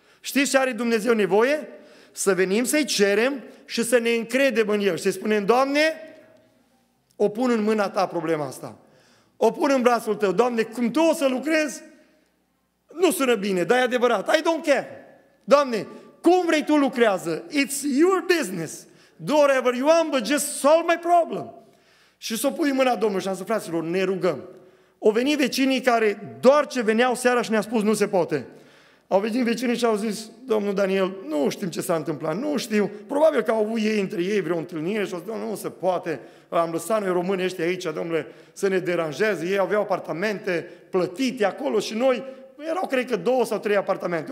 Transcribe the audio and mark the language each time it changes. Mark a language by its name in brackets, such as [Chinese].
[Romanian] Știți ce are Dumnezeu nevoie? Să venim să-i cerem și să ne încredem în El. Și să-i spunem, Doamne, o pun în mâna Ta problema asta. O pun în brațul Tău. Doamne, cum Tu o să lucrezi, nu sună bine, dar e adevărat. [English] I don't care. [Romanian] Doamne, cum vrei Tu lucrează? [English] It's your business. Do whatever you want, but just solve my problem. [Romanian] Și s-o pui în mâna Domnului și am zis, fraților, ne rugăm. Au venit vecinii care doar ce veneau seara și ne-a spus, nu se poate. Au venit vecinii și au zis, domnul Daniel, nu știm ce s-a întâmplat, nu știu. Probabil că au avut ei între ei vreo întâlnire și au zis, domnule, nu se poate. Am lăsat noi români ăștia aici, domnule, să ne deranjeze. Ei aveau apartamente plătite acolo și noi, erau cred că 2 sau 3 apartamente.